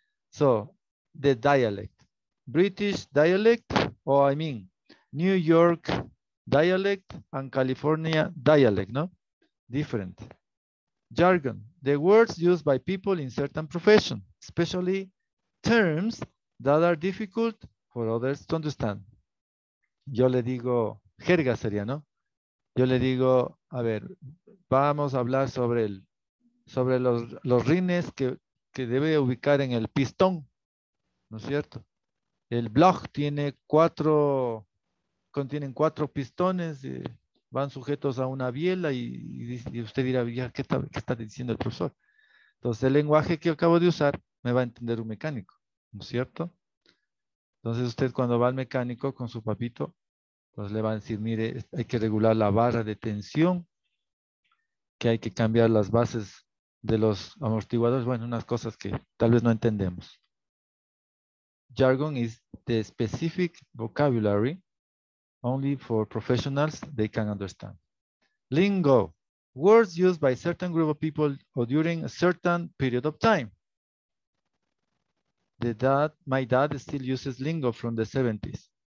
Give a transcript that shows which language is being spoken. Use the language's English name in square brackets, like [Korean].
[English] So, the dialect. British dialect, or I mean, New York dialect and California dialect, no? Different. Jargon, the words used by people in certain professions, especially terms that are difficult for others to understand. [Spanish] Yo le digo, jerga sería, ¿no? Yo le digo, a ver, vamos a hablar sobre el, sobre los rines que debe ubicar en el pistón, ¿no es cierto? El blog tiene cuatro, contienen cuatro pistones, van sujetos a una biela y usted dirá, ya, ¿qué está diciendo el profesor? Entonces, el lenguaje que acabo de usar me va a entender un mecánico, ¿no es cierto? Entonces, usted cuando va al mecánico con su papito, pues le van a decir, mire, hay que regular la barra de tensión, que hay que cambiar las bases de los amortiguadores. Bueno, unas cosas que tal vez no entendemos. [English] Jargon is the specific vocabulary only for professionals they can understand. Lingo, words used by a certain group of people or during a certain period of time. My dad still uses lingo from the 70s.